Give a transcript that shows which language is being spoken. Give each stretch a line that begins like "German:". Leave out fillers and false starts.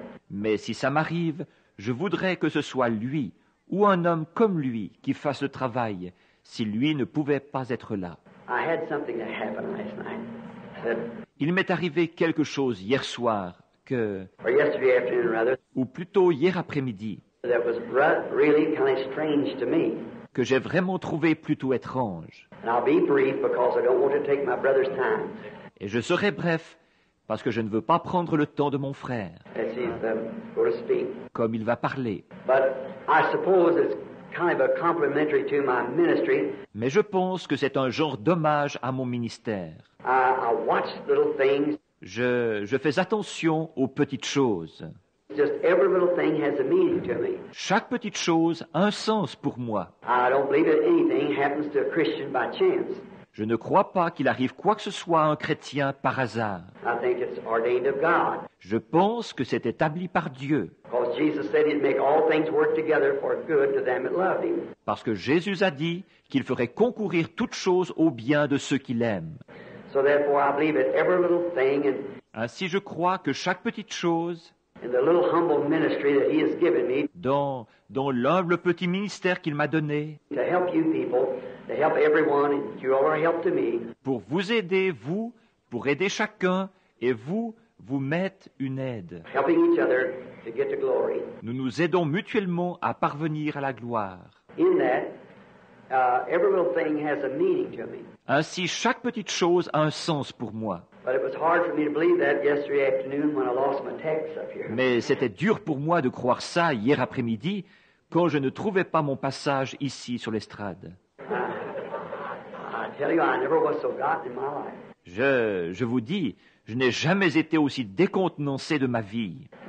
French: Mais si ça m'arrive, je voudrais que ce soit lui ou un homme comme lui qui fasse le travail si lui ne pouvait pas être là.
English: I had something to happen last night.
French: Il m'est arrivé quelque chose hier soir que...
English: Or yesterday afternoon, rather,
French: ou plutôt hier après-midi.
English: That was really kind of strange to me.
French: Que j'ai vraiment trouvé plutôt étrange.
English: And I'll be brief because I don't want to take my brother's time.
French: Et je serai bref parce que je ne veux pas prendre le temps de mon frère.
English: As he's going to speak.
French: Comme il va parler.
English: But I suppose it's kind of a complimentary to my ministry.
French: Mais je pense que c'est un genre d'hommage à mon ministère.
English: I watch little things.
French: Je fais attention aux petites choses.
English: Just every little thing has a meaning to me.
French: Chaque petite chose a un sens pour moi.
English: I don't believe that anything happens to a Christian by chance.
French: Je ne crois pas qu'il arrive quoi que ce soit à un chrétien par hasard.
English: I think it's ordained of God.
French: Je pense que c'est établi par Dieu.
English: Because Jesus said he'd make all things work together for good to them that love him.
French: Parce que Jésus a dit qu'il ferait concourir toutes choses au bien de ceux qu'il aime.
English: So therefore I believe that every little thing and
French: ainsi je crois que chaque petite chose
English: in the little humble ministry that he has given me
French: dans l'humble petit ministère qu'il m'a donné
English: to help you people, to help everyone, and you are a help to me.
French: Pour vous aider, vous, pour aider chacun, et vous mettez une aide.
English: Helping each other to get to glory.
French: Nous nous aidons mutuellement à parvenir à la gloire.
English: In that, every little thing has a meaning to me.
French: Ainsi, chaque petite chose a un sens pour moi.
English: But it was hard for me to believe that yesterday afternoon when I lost my text up here.
French: Mais c'était dur pour moi de croire ça hier après-midi quand je ne trouvais pas mon passage ici sur l'estrade.
English: I tell you, I never was so gotten in my life.
French: Je vous dis, je n'ai jamais été aussi décontenancé de ma vie.